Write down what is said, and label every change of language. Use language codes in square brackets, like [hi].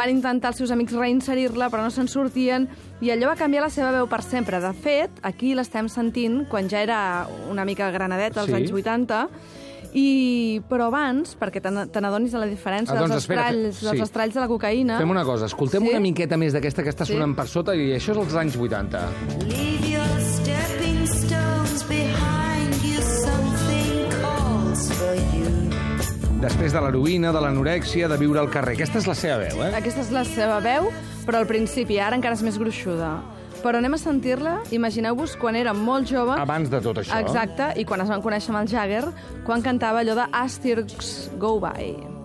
[ca] Van intentar els seus amics reinserir-la, però no se'n sortien. I allò va canviar la seva veu per sempre. De fet, aquí l'estem sentint quan ja era una mica granadeta, als anys 80... Però abans, perquè te n'adonis de la diferència dels estralls de la cocaïna... Fem una cosa, escoltem una miqueta més d'aquesta que està sonant per sota i això és els anys 80. [en] Leave your stepping stones behind you, something calls for you. [ca] Després de l'heroïna, de l'anorèxia, de viure al carrer. Aquesta és la seva veu, eh? Aquesta és la seva veu, però al principi, ara encara és més gruixuda. Però anem a sentir-la. Imagineu-vos quan era molt jove. Abans de tot això. Exacte, i quan es van conèixer amb el Jagger, quan cantava allò de Asterix Go By.